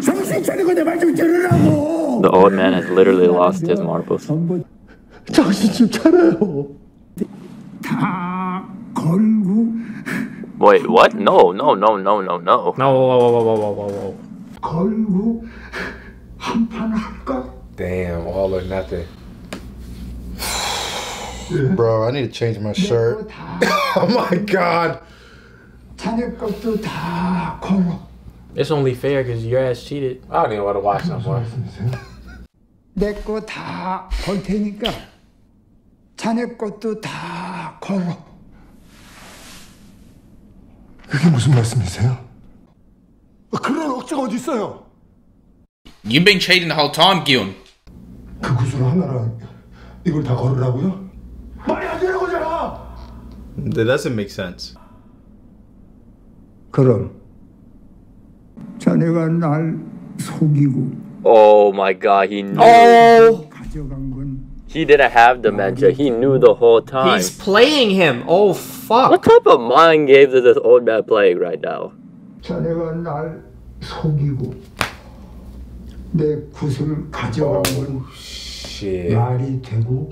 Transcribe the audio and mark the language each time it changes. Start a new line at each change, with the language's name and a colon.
Korean: 정신 차리고 내 말 좀 들으라고.
English: The old man has literally lost his marbles.
Korean: 정신 좀 차려요. 다 걸고.
English: Wait, what? No, no, no, no, no, no. No, whoa, whoa, whoa, whoa, whoa, whoa.
Korean: 걸고 한 판 할까?
English: Damn, all or nothing. Bro, I need to change my shirt. Oh my god.
Korean: 자네 것도 다 걸어.
English: It's only fair because your ass cheated. I don't even want to watch that one.
Korean: 내 거 다 걸 테니까 자네 것도 다 걸어. 그게 무슨 말씀이세요? 그런 억지가 어디 있어요?
English: You've been cheating the whole time, Gyun.
Korean: 그 구슬 하나랑 이걸 다 걸으라고요? 말이 안 되는 거잖아!
English: That doesn't make sense.
Korean: 그럼 자네가 날 속이고.
English: Oh my god, he knew. He didn't have dementia. He knew the whole time. He's playing him. Oh fuck. What type of mind games is this old man playing right now?
Korean: 자네가 날 속이고 내 구슬 가져간 건 말이 되고.